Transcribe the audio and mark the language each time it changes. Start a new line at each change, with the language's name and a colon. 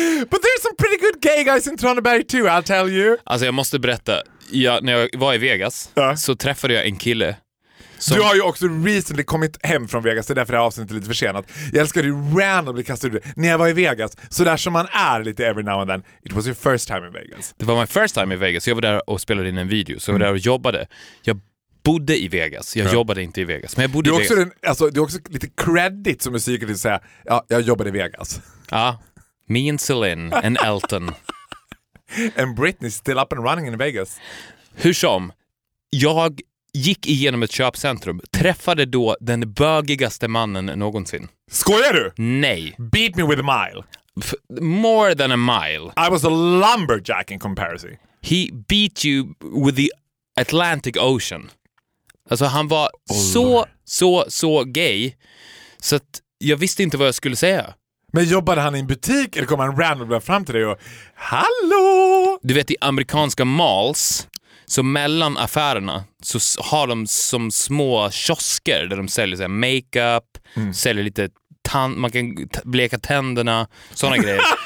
English: But there's some pretty good gay guys in Tranberg too, I'll tell you.
Swedish: Alltså jag måste berätta. Ja, när jag var i Vegas så träffade jag en kille som... Du har ju också
English: recently
Swedish: kommit hem från Vegas. Det är därför det här avsnittet är lite försenat. Jag älskar ju
English: randomly
Swedish: kastade ut. När jag var i Vegas, så där som man är lite
English: every now and then. It was your first time in Vegas.
Swedish: Det var
English: my first time
Swedish: i Vegas. Jag var där och spelade in en video. Så jag var där och jobbade. Jag bodde i Vegas. Jag jobbade inte i Vegas. Men jag bodde du i också Vegas den, alltså, du har också lite credit som musiker till att säga ja, jag jobbade i Vegas.
English: Ja, me and Celine and Elton. And Britney's still up and running in Vegas.
Swedish: Hur som, jag gick igenom ett köpcentrum, träffade då den bögigaste mannen någonsin. Skojar du? Nej.
English: Beat me with a mile. More than a mile. I was a lumberjack in comparison. He beat you with the Atlantic Ocean.
Swedish: Alltså han var så gay, så att jag visste inte vad jag skulle säga. Men jobbade han i en butik eller kom han random fram till dig och hallå? Du vet i amerikanska malls, så mellan affärerna så har de som små kiosker där de säljer så här makeup, säljer lite tand, man kan bleka tänderna, såna grejer.